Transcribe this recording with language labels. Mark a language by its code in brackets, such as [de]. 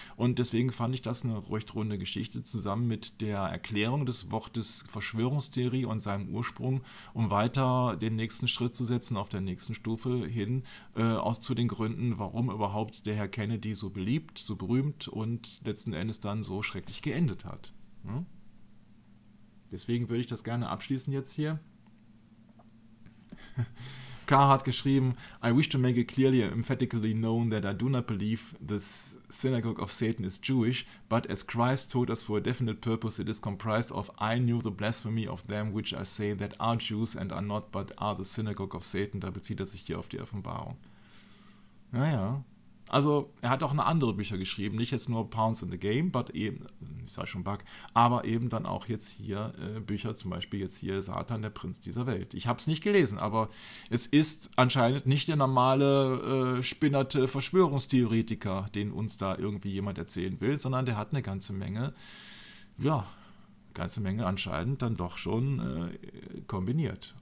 [de] Und deswegen fand ich das eine recht runde Geschichte zusammen mit der Erklärung des Wortes Verschwörungstheorie und seinem Ursprung, um weiter den nächsten Schritt zu setzen auf der nächsten Stufe hin aus zu den Gründen, warum überhaupt der Herr Kennedy so beliebt, so berühmt und letzten Endes dann so schrecklich geendet hat. Deswegen würde ich das gerne abschließen jetzt hier. [en] Carr [de] hat geschrieben: [en] I wish to make it clearly, emphatically known that I do not believe this synagogue of Satan is Jewish, but as Christ told us for a definite purpose, it is comprised of I knew the blasphemy of them which I say that are Jews and are not, but are the synagogue of Satan. [de] Da bezieht er sich hier auf die Offenbarung. Naja. Also, er hat auch noch andere Bücher geschrieben, nicht jetzt nur Pawns in the Game, but eben, ich sag schon Bug, aber eben dann auch jetzt hier Bücher, zum Beispiel jetzt hier Satan, der Prinz dieser Welt. Ich habe es nicht gelesen, aber es ist anscheinend nicht der normale spinnerte Verschwörungstheoretiker, den uns da irgendwie jemand erzählen will, sondern der hat eine ganze Menge, ja, ganze Menge anscheinend dann doch schon kombiniert.